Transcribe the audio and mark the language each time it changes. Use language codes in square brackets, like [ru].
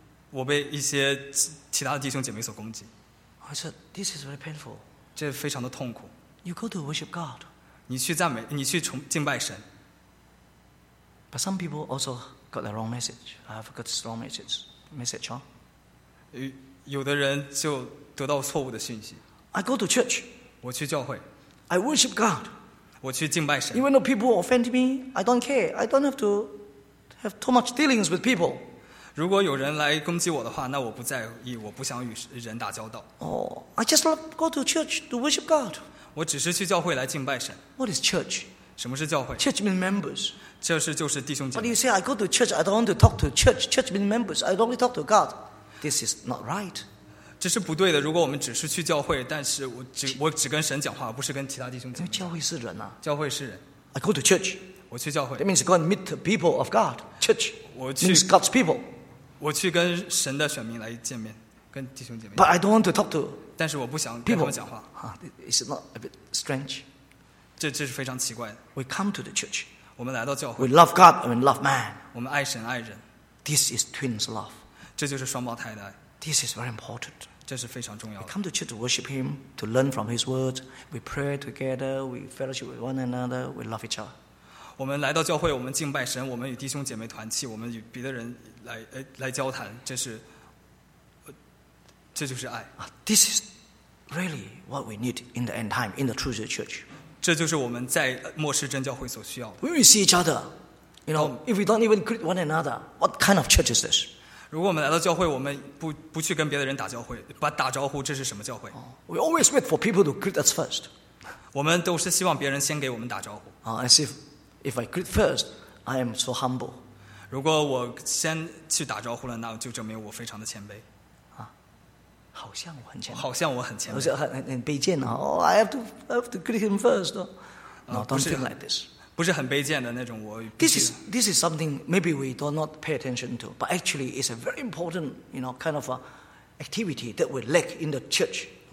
[zh] 我被一些其他的弟兄姐妹所攻击。 [en] I said, "This is very painful." [zh] 这非常的痛苦。 [en] You go to worship God. [zh] 你去赞美，你去敬拜神。 [en] But some people also got the wrong message. I have got the wrong message. Message, huh? [zh] 有的人就得到错误的信息。 [en] I go to church. [zh] 我去教会。 [en] I worship God. [zh] 我去敬拜神。 [en] Even though people offend me, I don't care. I don't have to have too much dealings with people. [zh] 如果有人来攻击我的话，那我不在意，我不想与人打交道。 [en] Oh, I just love go to church to worship God. [zh] 我只是去教会来敬拜神。 [en] What is church? [zh] 什么是教会 [en] ？Church means members. [zh] 这是就是弟兄姐妹。 [en] But you say I go to church, I don't want to talk to church. Church means members. I only talk to God. This is not right. [zh] 这是不对的。如果我们只是去教会，但是我只跟神讲话，不是跟其他弟兄姐妹。教会是人啊。教会是人。 [en] I go to church. [zh] 我去教会。 [en] That means go and meet the people of God. Church. [zh] 我去。 [en] Means God's people. [zh] 我去跟神的选民来见面，跟弟兄姐妹。 [en] But I don't want to talk to. [zh] 但是我不想跟他们讲话。 [en] It's not a bit strange. [zh] 这是非常奇怪的。 [en] We come to the church. [zh] 我们来到教会。 [en] We love God and we love man. [zh] 我们爱神爱人。 [en] This is twins love. [zh] 这就是双胞胎的爱。 [en] This is very important. [zh] 这是非常重要的。 [en] We come to church to worship Him, to learn from His words. We pray together. We fellowship with one another. We love each other. [zh] 我们来到教会，我们敬拜神，我们与弟兄姐妹团契，我们与别的人来交谈。这就是爱。 [en] This is really what we need in the end time in the true church. [zh] 这就是我们在末世真教会所需要的。 [en] When we see each other, you know, if we don't even greet one another, what kind of church is this? [zh] 如果我们来到教会，我们不去跟别的人打交道，不打招呼，这是什么教会？ [en] We always wait for people to greet us first. [zh] 我们都是希望别人先给我们打招呼。 [en] As if I greet first, I am so humble. [zh] 如果我先去打招呼了，那就证明我非常的谦卑。好像我很谦卑。好像我很谦卑。好像很卑贱啊！ [en] 哦、oh, ，I have to greet him first. No, don't think like this. [zh] 不是很卑贱的那种。我 [en] This is something maybe we do not pay attention to, but actually it's a very important, you know, kind of a activity that we lack in the church.